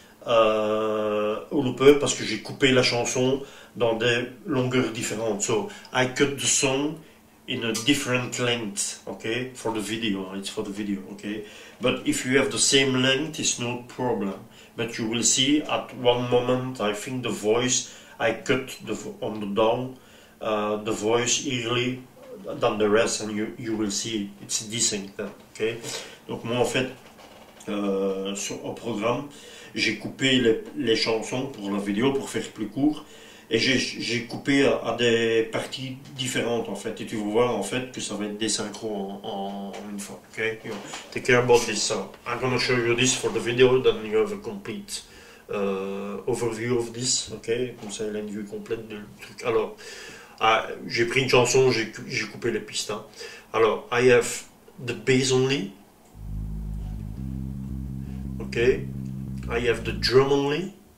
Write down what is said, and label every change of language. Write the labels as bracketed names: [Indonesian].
[French] Au looper, parce que j'ai coupé la chanson dans des longueurs différentes. [English] So, I cut the song in a different length, okay? For the video, it's for the video, okay? But if you have the same length, it's no problem. But you will see at one moment, I think the voice, I cut the on the down, the voice early than the rest, and you will see it's decent, then, okay? [French] Donc moi, en fait, au programme, j'ai coupé les chansons pour la vidéo, pour faire plus court, et j'ai coupé à des parties différentes, en fait, et tu vas voir, en fait, que ça va être désynchro en une fois, ok? [English] You know, take care about this. I'm gonna show you this for the video, then you have a complete overview of this, ok? [French] Comme ça, il y a une vue complète du truc. Alors, j'ai pris une chanson, j'ai coupé les pistes, hein. [English] Alors, I have the bass only, ok? I have the drum only.